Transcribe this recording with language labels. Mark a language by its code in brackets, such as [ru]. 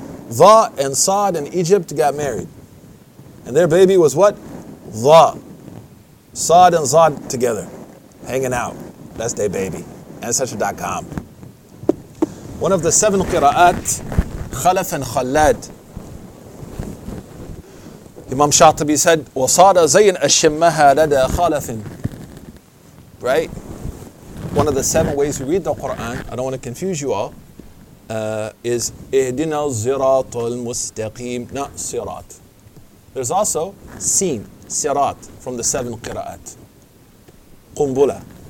[en] Za and sad in Egypt got married. And their baby was what? Za. Sad and za together, hanging out. That's their baby. Ancestry.com. One of the seven qira'at, khalaf and khalad. Imam Shatibi said, [ar] وَصَارَ زَيْنَ أَشِمَّهَا لَدَى خَالَفٍ. [en] Right? One of the seven ways we read the Qur'an, I don't want to confuse you all, is [ar] اِهْدِنَا الزِّرَاطُ الْمُسْتَقِيمُ. [en] Not sirat. There's also seen, sirat, from the seven qira'at. [ar] قُنْبُلَة.